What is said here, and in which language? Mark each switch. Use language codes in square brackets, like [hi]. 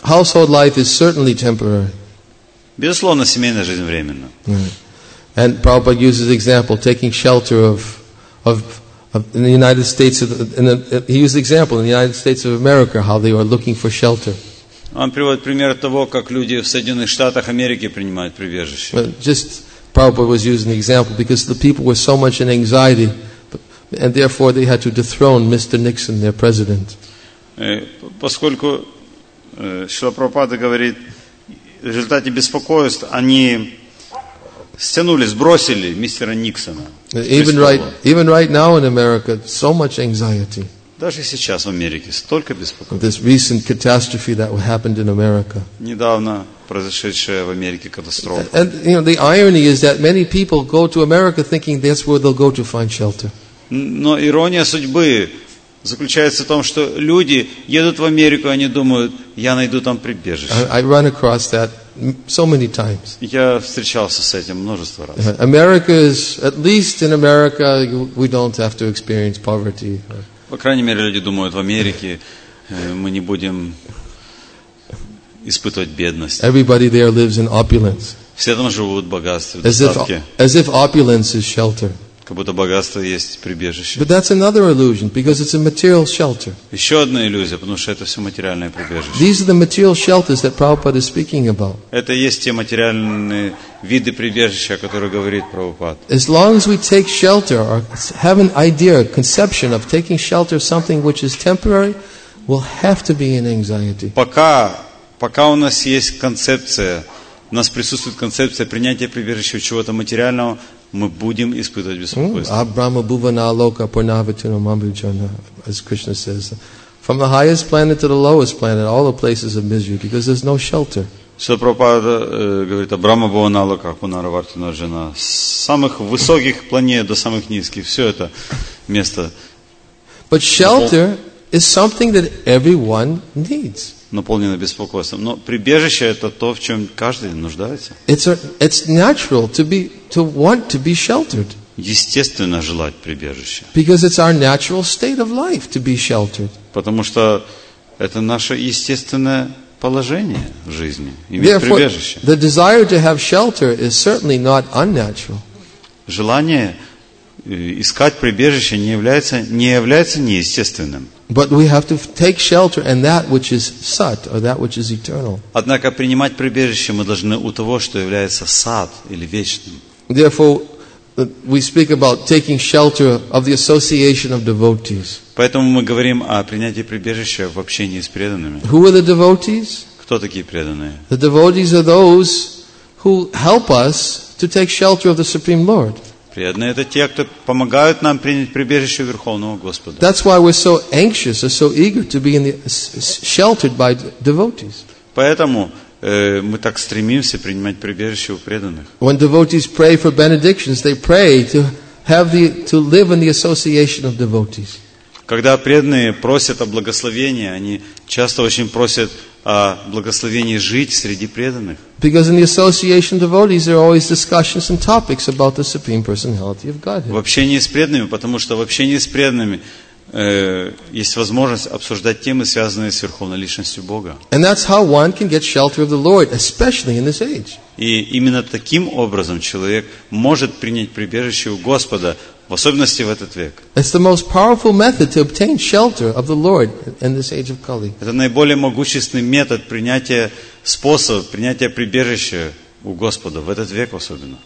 [en] Household life is certainly temporary. [ru] Безусловно, семейная жизнь временна. [en] And Prabhupada uses example taking shelter of in the United States in the United States of America, how they are looking for shelter. [ru] Он приводит пример того, как люди в Соединенных Штатах Америки принимают прибежище. [en] But just Prabhupada was using example because the people were so much in anxiety, and therefore they had to dethrone Mr. Nixon, their president. [ru] Поскольку Шрила Прабхупада говорит, в результате беспокойств они стянули, сбросили мистера Никсона. [en] Even right now in America, so much anxiety. [ru] Даже сейчас в Америке столько беспокойств. [en] This recent catastrophe that happened in America. [ru] Недавно произошедшая в Америке катастрофа. [en] And you know, the irony is that many people go to America thinking that's where they'll go to find shelter. [ru] Но ирония судьбы заключается в том, что люди едут в Америку, они думают, я найду там прибежище. [en] I run across that so many times. [ru] Я встречался с этим множество раз. [en] America is, at least in America, we don't have to experience poverty. [ru] По крайней мере, люди думают, в Америке мы не будем испытывать бедность. [en] Everybody there lives in opulence. [ru] Все там живут в богатстве, в достатке. [en] As if opulence is shelter. [ru] Как будто богатство есть прибежище. [en] But that's another illusion, because it's a material shelter. [ru] Еще одна иллюзия, потому что это все материальное прибежище. [en] These are the material shelters that Prabhupada is speaking about. [ru] Это есть те материальные виды прибежища, о которых говорит Прабхупада. [en] As long as we take shelter or have an idea, a conception of taking shelter of something which is temporary, we'll have to be in anxiety. [ru] Пока у нас есть концепция, у нас присутствует концепция принятия прибежища чего-то материального, мы будем испытывать беспокойство. [sa] Абрама бувана лока пурнаватина мамбиджана, [en] as Krishna says, from the highest planet to the lowest planet, all the places of misery, because there's no shelter. [ru] Шрила Прабхупада говорит, [sa] Абрама бувана лока пурнаватина джана, [ru] с самых высоких планет до самых низких, все это место. [en] But shelter is something that everyone needs. [ru] Наполнено беспокойством. Но прибежище — это то, в чем каждый нуждается. [en] It's natural to want to be sheltered. [ru] Естественно желать прибежища. [en] Because it's our natural state of life to be sheltered. [ru] Потому что это наше естественное положение в жизни, иметь прибежище. [en] The desire to have shelter is certainly not unnatural. [ru] Желание искать прибежище не является неестественным. [en] But we have to take shelter in that which is sat, or that which is eternal. [ru] Однако принимать прибежище мы должны у того, что является сат или вечным. [en] Therefore, we speak about taking shelter of the association of devotees. [ru] Поэтому мы говорим о принятии прибежища в общении с преданными. [en] Who are the devotees? [ru] Кто такие преданные? [en] The devotees are those who help us to take shelter of the Supreme Lord. [ru] Преданные — это те, кто помогают нам принять прибежище Верховного Господа. [en] That's why we're so anxious or so eager to be sheltered by devotees. [ru] Поэтому мы так стремимся принимать прибежище у преданных. [en] When devotees pray for benedictions, they pray to live in the association of devotees. [ru] Когда преданные просят о благословении, они часто очень просят о благословении жить среди преданных. [en] Because in the association of devotees there are always discussions and topics about the Supreme Personality of Godhead. [ru] В общении с преданными, потому что в общении с преданными есть возможность обсуждать темы, связанные с Верховной Личностью Бога. [en] And that's how one can get shelter of the Lord, especially in this age. [ru] И именно таким образом человек может принять прибежище у Господа, в особенности в этот век. [en] It's the most powerful method to obtain shelter of the Lord in this age of Kali. [ru] Это наиболее могущественный метод принятия, способ принятия прибежища у Господа в этот век особенно.